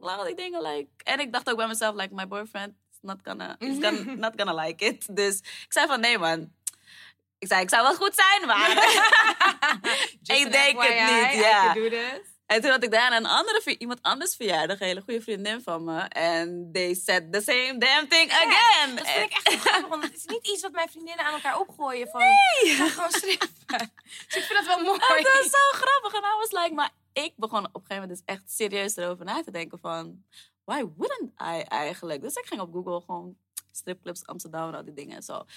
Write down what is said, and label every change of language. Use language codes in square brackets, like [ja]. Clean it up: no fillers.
[nl] Al die dingen, En ik dacht ook bij mezelf, [en] my boyfriend. Not gonna like it. [nl] Dus ik zei van, nee man. Ik zou wel goed zijn, maar... ik denk [en] FYI, [nl] het niet. [en] I can do this. [nl] En toen had ik daarna iemand anders verjaardag. Een hele goede vriendin van me. En [en] they said the same damn thing again. [nl] Dat vind ik echt grappig. Want het is niet iets wat mijn vriendinnen aan elkaar opgooien. Van, nee! Gewoon strippen. Dus ik vind dat wel mooi. Dat is zo grappig. En [en] I was [nl] maar ik begon op een gegeven moment dus echt serieus erover na te denken van... [en] Why wouldn't I [nl] eigenlijk? Dus ik ging op Google gewoon stripclubs Amsterdam en al die dingen en zo.